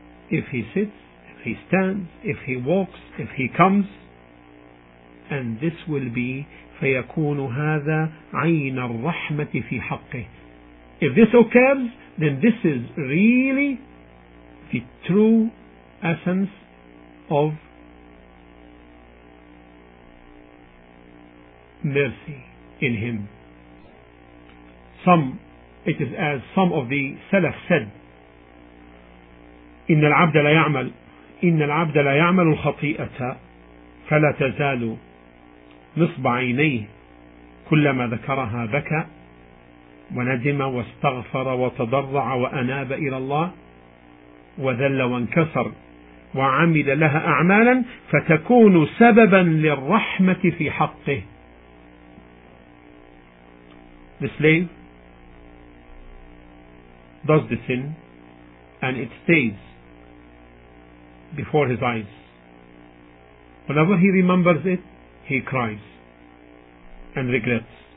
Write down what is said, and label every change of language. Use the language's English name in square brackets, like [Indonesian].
[English] If he sits, if he stands, if he walks, if he comes, and this will be [Arabic] فَيَكُونُ هَذَا عَيْنَ الرَّحْمَةِ فِي حَقِّهِ. [English] If this occurs, then this is really the true essence of mercy in him. It is as some of the Salaf said, [Arabic] إِنَّ الْعَبْدَ لَيَعْمَلُ الْخَطِيئَةَ فَلَا تَزَالُ نِصْبَ عَيْنَيْهِ كُلَّمَا ذَكَرَهَا بَكَى وندم واستغفر وتضرع وأناب إلى الله وذل وانكسر وعمل لها أعمالا فتكون سببا للرحمة في حقه. [English] The slave does the sin and it stays before his eyes. Whenever he remembers it, he cries and regrets.